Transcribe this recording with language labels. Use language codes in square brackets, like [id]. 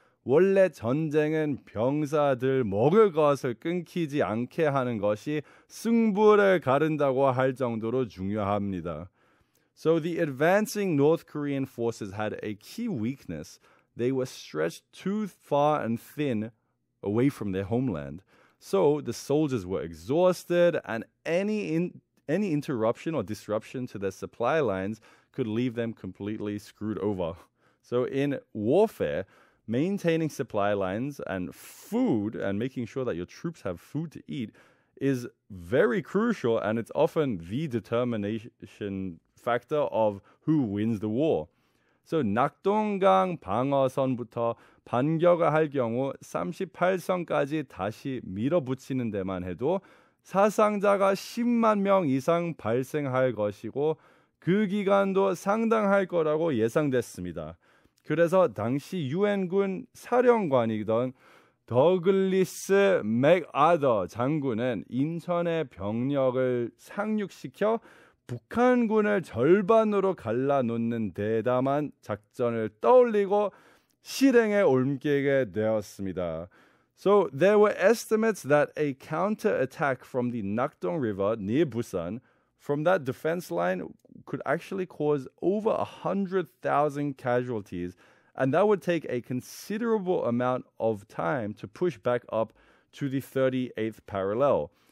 [ko] 원래 전쟁은 병사들 먹을 것을 끊기지 않게 하는 것이 승부를 가른다고 할 정도로 중요합니다. [en] So the advancing North Korean forces had a key weakness. They were stretched too far and thin away from their homeland. So the soldiers were exhausted, and any interruption or disruption to their supply lines could leave them completely screwed over. So in warfare, maintaining supply lines and food and making sure that your troops have food to eat is very crucial, and it's often the determination factor of who wins the war. [ko] So 낙동강 방어선부터 반격을 할 경우 38선까지 다시 밀어붙이는 데만 해도 사상자가 10만 명 이상 발생할 것이고 그 기간도 상당할 거라고 예상됐습니다. 그래서 당시 UN군 사령관이던 더글리스 맥아더 장군은 인천의 병력을 상륙시켜 북한군을 절반으로 갈라놓는 대담한 작전을 떠올리고 실행에 옮기게 되었습니다. [en] So there were estimates that a counterattack from the Nakdong River near Busan from that defense line could actually cause over 100,000 casualties, and that would take a considerable amount of time to push back up to the 38th parallel.